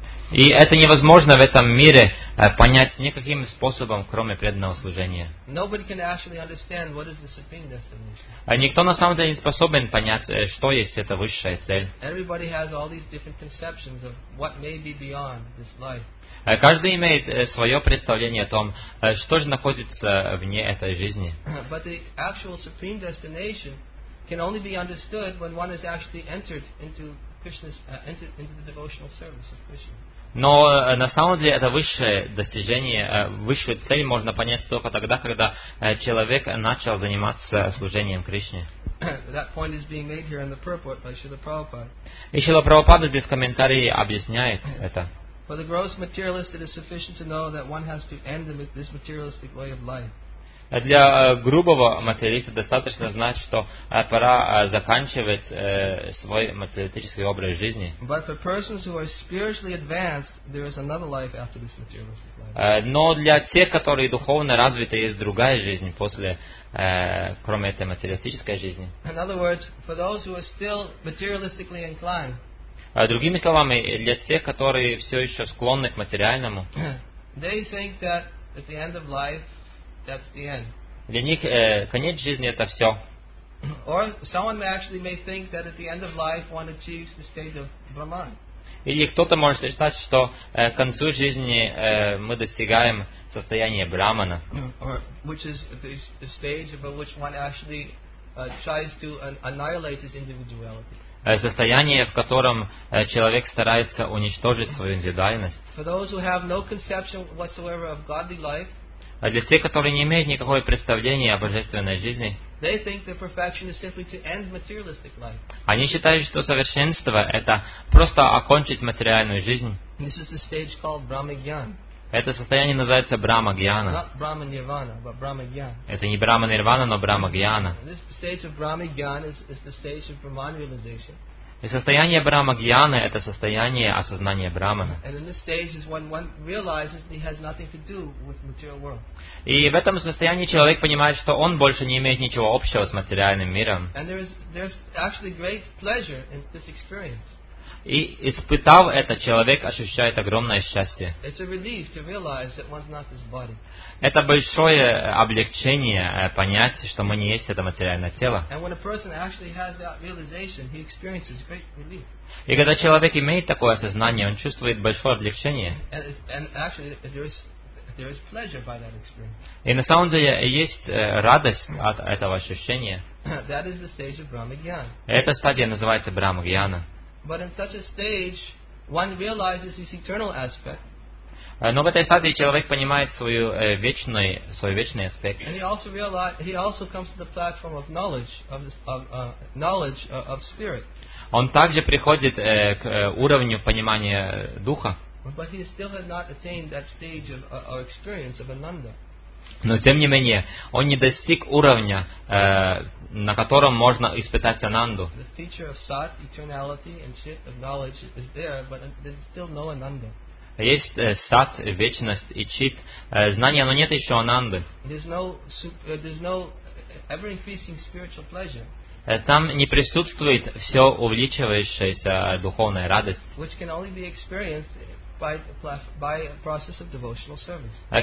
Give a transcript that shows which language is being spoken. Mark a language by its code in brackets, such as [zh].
[ru] И это невозможно в этом мире понять никаким способом, кроме преданного служения. Никто на самом деле не способен понять, что есть эта высшая цель. [en] Everybody has all these different conceptions of what may be beyond this life. [ru] Каждый имеет свое представление о том, что же находится вне этой жизни. [en] But the actual supreme destination can only be understood when one has actually entered into the devotional service of Krishna. [ru] Но на самом деле это высшее достижение, высшую цель можно понять только тогда, когда человек начал заниматься служением Кришне. [en] That point is being made here in the purport by Srila Prabhupada. [ru] И Шрила Прабхупада здесь в комментарии объясняет это. [en] For the gross materialist, it is sufficient to know that one has to end this materialistic way of life. [ru] Для грубого материалиста достаточно знать, что пора заканчивать свой материалистический образ жизни. [en] But for persons who are spiritually advanced, there is another life after this materialistic life. [ru] Но для тех, которые духовно развиты, есть другая жизнь после, кроме этой материалистической жизни. [en] In other words, for those who are still materialistically inclined. [ru] Другими словами, для тех, которые все еще склонны к материальному, [en] they think that at the end of life, that's the end. [ru] Для них конец жизни – это все. [en] Or someone actually may think that at the end of life one achieves the state of Brahman. [ru] Или кто-то может считать, что к концу жизни мы достигаем состояния Брахмана. [en] Or which is the stage by which one actually tries to annihilate his individuality. [ru] Состояние, в котором человек старается уничтожить свою индивидуальность. [en] For those who have no conception whatsoever of godly life. [ru] А для тех, которые не имеют никакого представления о божественной жизни, [en] they think that perfection is simply to end materialistic life. [ru] Они считают, что совершенство – это просто окончить материальную жизнь. [en] This is the stage called Brahma-gyan. [ru] Это состояние называется Брахма-гьяна. [en] Not Brahma-nirvana, but Brahma-gyan. [ru] Это не Брахма-нирвана, но Брахма-гьяна. [en] This stage of Brahma-gyan is the stage of Brahman-realization. [ru] И состояние Брахма-гьяны – это состояние осознания Брахмана. [en] And in this stage is when one realizes he has nothing to do with the material world. [ru] И в этом состоянии человек понимает, что он больше не имеет ничего общего с материальным миром. [en] And there's actually great pleasure in this experience. [ru] И испытав это, человек ощущает огромное счастье. [en] It's a relief to realize that one's not this body. [ru] Это большое облегчение понять, что мы не есть это материальное тело. [en] And when a person actually has that realization, he experiences great relief. [ru] И когда человек имеет такое осознание, он чувствует большое облегчение. [en] And actually, there is pleasure by that experience. [ru] И на самом деле есть радость от этого ощущения. [en] That is the stage of Brahma-gyan. [ru] Эта стадия называется Брахма-гьяна. [en] But in such a stage, one realizes his eternal aspect. [ru] Но в этой стадии человек понимает свой вечный аспект. [en] And he also comes to the platform of knowledge of spirit. [ru] Он также приходит к уровню понимания духа. [en] But he still had not attained that stage of or experience of Ananda. [ru] Но тем не менее, он не достиг уровня, на котором можно испытать Ананду. [en] The feature of sat, eternality and chit of knowledge is there, but there is still no Ananda. [ru] Есть сат, вечность и чит, знания, но нет еще ананды. [en] There's no ever-increasing spiritual pleasure. [ru] Там не присутствует все увеличивающаяся духовная радость. [en] Which can only be experienced by a process of devotional service.